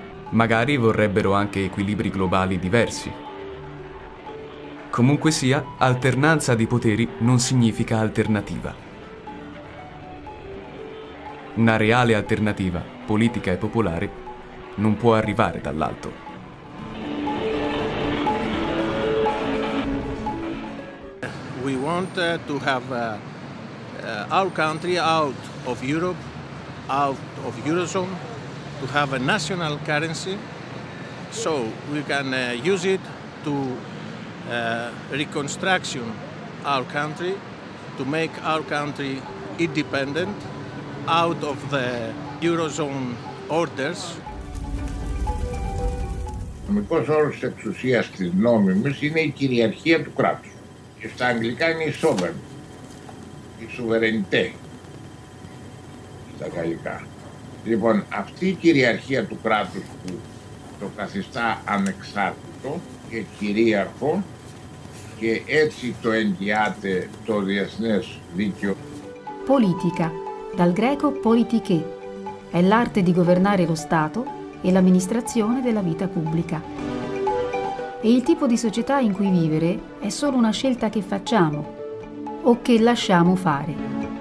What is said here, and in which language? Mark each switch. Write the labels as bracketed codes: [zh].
[it] Magari vorrebbero anche equilibri globali diversi. Comunque sia, alternanza di poteri non significa alternativa. Una reale alternativa, politica e popolare, non può arrivare dall'alto. [en] We want to have our country out of Europe, out of Eurozone, to have a national currency so we can use it to reconstruction our country, to make our country independent, out of the Eurozone orders. [el] Ο νομικός όρος της εξουσίας της νόμιμης είναι η κυριαρχία του κράτους. Και στα αγγλικά είναι η sovereign. Η σουβερενιτέ στα γαλλικά. Λοιπόν, αυτή η κυριαρχία του κράτους που το καθιστά ανεξάρτητο και κυρίαρχο και έτσι το εντιάται το διεθνές δίκαιο. [it] Politica, dal greco politiche, è l'arte di governare lo Stato e l'amministrazione della vita pubblica. E il tipo di società in cui vivere è solo una scelta che facciamo o che lasciamo fare.